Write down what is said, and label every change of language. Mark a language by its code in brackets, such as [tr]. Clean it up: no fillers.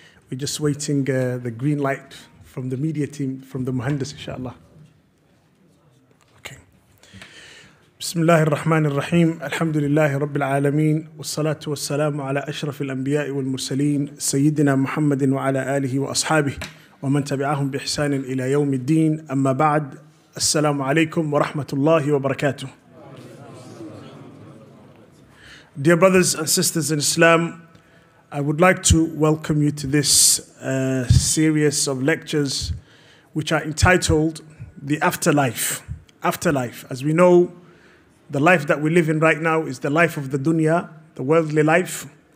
[en] We're just waiting the green light from the media team, from the Muhandis, inshallah. [ar] بسم الله الرحمن الرحيم الحمد لله رب العالمين والصلاة والسلام على أشرف الأنبياء والمرسلين سيدنا محمد وعلى آله وأصحابه ومن تبعهم بإحسان إلى يوم الدين أما بعد السلام عليكم ورحمة الله وبركاته. [en] Dear brothers and sisters in Islam, I would like to welcome you to this series of lectures which are entitled The Afterlife. Afterlife, as we know, the life that we live in right now is the life of the dunya, the worldly life.